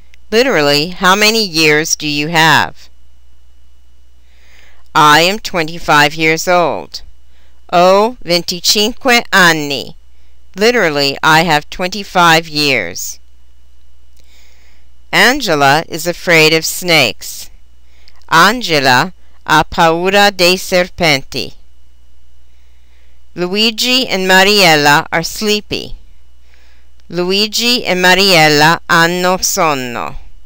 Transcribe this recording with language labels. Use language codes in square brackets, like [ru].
[en] Literally, how many years do you have? I am 25 years old. [it] Ho 25 anni. [en] Literally, I have 25 years. Angela is afraid of snakes. [it] Angela ha paura dei serpenti. [en] Luigi and Mariella are sleepy. [it] Luigi e Mariella hanno sonno.